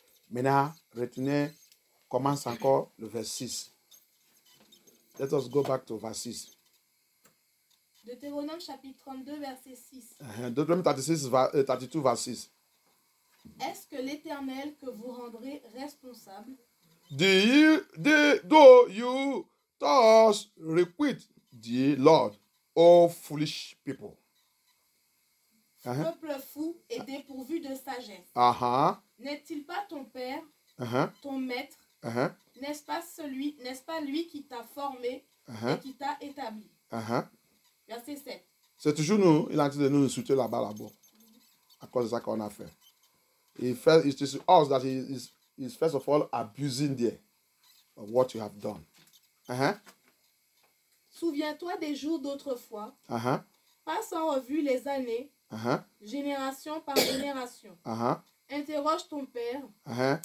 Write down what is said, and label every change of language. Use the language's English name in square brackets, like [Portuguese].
[French] Maintenant, retenez, commence encore le verset 6. [English] Let us go back to verse 6. [French] Deutéronome chapitre 32, verset 6. Deutéronome 32, verset 6. Est-ce que l'Éternel que vous rendrez responsable? [English] Do you thus requite the Lord, O foolish people? [French] Peuple fou et dépourvu de sagesse. N'est-il pas ton père, ton maître? N'est-ce pas lui qui t'a formé et qui t'a établi? Verset 7. C'est toujours nous, il a dit de nous insulter là-bas. À cause de ça qu'on a fait. [English] It is us that is first of all abusing there of what you have done. [French] Souviens-toi des jours d'autrefois. Passe en revue les années. Génération par génération. Interroge ton père.